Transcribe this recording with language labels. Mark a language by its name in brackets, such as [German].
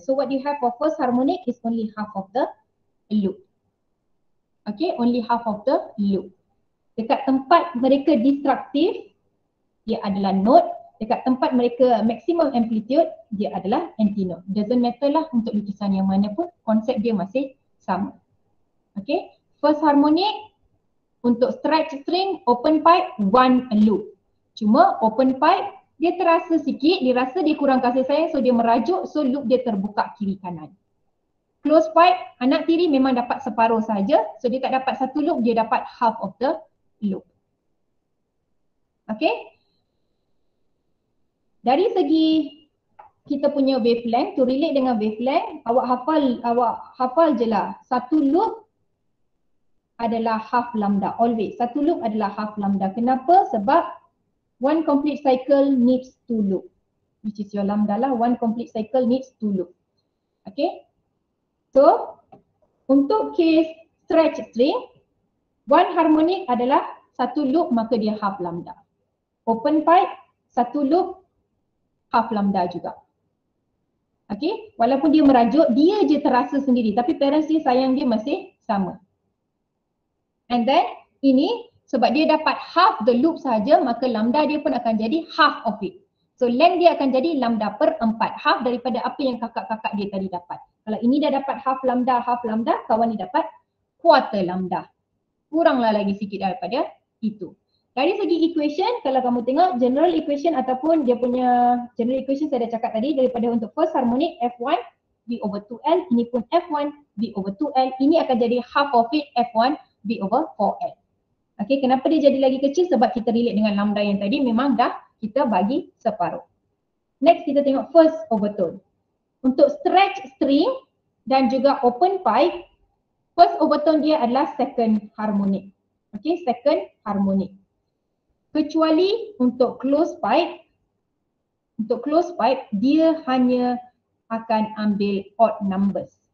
[English] So what you have for first harmonic is only half of the loop. Okay, only half of the loop. [Malay] Dekat tempat mereka destructive, dia adalah note. Dekat tempat mereka maximum amplitude, dia adalah antinode. [English] Doesn't matter [Malay] lah untuk lukisan yang mana pun, konsep dia masih sama. [English] Okay, first harmonic, untuk stretch string, open pipe, one loop. [Malay] Cuma open pipe, dia terasa sikit, dia rasa dia kurang kasih sayang, so dia merajuk, so loop dia terbuka kiri kanan. Close pipe, anak tiri memang dapat separuh saja, so dia tak dapat satu loop, dia dapat [English] half of the loop. [Malay] Okay. Dari segi kita punya wavelength, [English] to relate [Malay] dengan wavelength, awak hafal je lah. Satu loop adalah half lambda, always. Satu loop adalah half lambda. Kenapa? Sebab [English] one complete cycle needs two loop, which is your lambda lah. One complete cycle needs two loop. Okay. [Malay] So, untuk case stretch string, one harmonic adalah satu loop maka dia half lambda. Open pipe, satu loop, half lambda juga. Okay, walaupun dia merajuk, dia je terasa sendiri tapi parents dia sayang dia masih sama. [English] And then, [Malay] ini Sebab dia dapat half the loop saja, maka lambda dia pun akan jadi half of it. So length dia akan jadi lambda per 4, half daripada apa yang kakak-kakak dia tadi dapat. Kalau ini dah dapat half lambda, kawan ni dapat quarter lambda. Kuranglah lagi sikit daripada itu. Dari segi equation, kalau kamu tengok general equation ataupun dia punya general equation saya dah cakap tadi, daripada untuk first harmonic F1 V over 2L, ini pun F1 V over 2L, ini akan jadi half of it F1 V over 4L. Okay, kenapa dia jadi lagi kecil? Sebab kita relate dengan lambda yang tadi memang dah kita bagi separuh. Next kita tengok first overtone. Untuk stretch string dan juga open pipe, first overtone dia adalah second harmonic. Okay, second harmonic. Kecuali untuk close pipe, dia hanya akan ambil odd numbers.